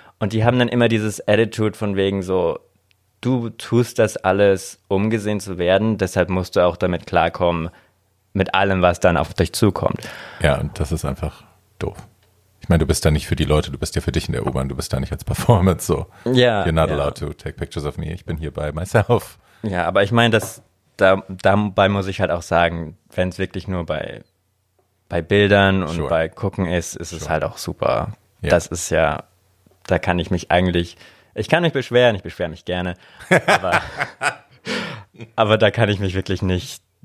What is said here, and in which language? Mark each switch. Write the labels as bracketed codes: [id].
[de] Und die haben dann immer dieses Attitude von wegen so, du tust das alles, um gesehen zu werden, deshalb musst du auch damit klarkommen, mit allem, was dann auf dich zukommt. Ja, und das ist einfach doof. Ich meine, du bist da nicht für die Leute, du bist ja für dich in der U-Bahn, du bist da nicht als Performance so. Ja. [en] You're not allowed to take pictures of me, [de] ich bin hier [en] by myself. [de] Ja, aber ich meine, dabei muss ich halt auch sagen, wenn es wirklich nur bei Bildern und bei Gucken ist es halt auch super. Ja. Das ist ja, da kann ich mich eigentlich, ich kann mich beschweren, ich beschwere mich gerne, aber da kann ich mich wirklich nicht,